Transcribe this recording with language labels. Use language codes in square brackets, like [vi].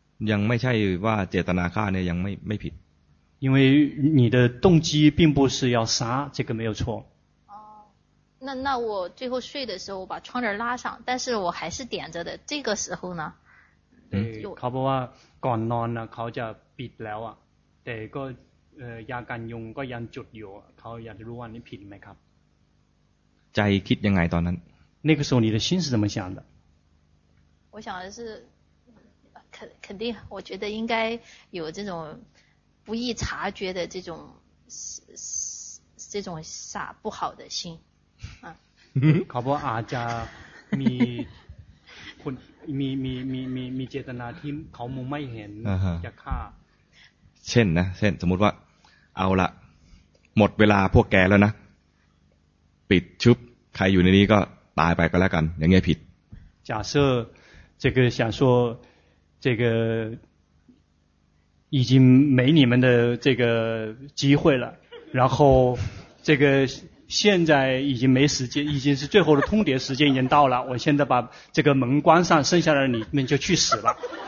[th] ยังไม่ใช่ว่าเจตนาฆ่าเนี่ยยังไม่ผิด。 [zh] 因为你的动机并不是要杀，这个没有错。那我最后睡的时候我把窗帘拉上，但是我还是点着的，这个时候呢？ [th] เขาบอกว่าก่อนนอนนะเขาจะปิดแล้วอ่ะแต่ก็ยากันยุงก็ยังจุดอยู่เขาอยากรู้ว่านี่ผิดไหมครับ ใจคิดยังไงตอนนั้น [zh] 那个时候你的心是怎么想的？我想的是肯定，我觉得应该有这种不易察觉的这种傻不好的心。 [th] เขาบอกอาจจะมีคนมีเจตนาที่เขามองไม่เห็นจะฆ่า เช่นนะเช่นสมมติว่าเอาละหมดเวลาพวกแกแล้วนะปิดชุบใครอยู่ในนี้ก็ตายไปก็แล้วกันอย่างเงี้ยผิด [zh] 假设这个想说这个已经没你们的这个机会了然后这个现在已经没时间，已经是最后的通牒时间已经到了。我现在把这个门关上，剩下的你们就去死了。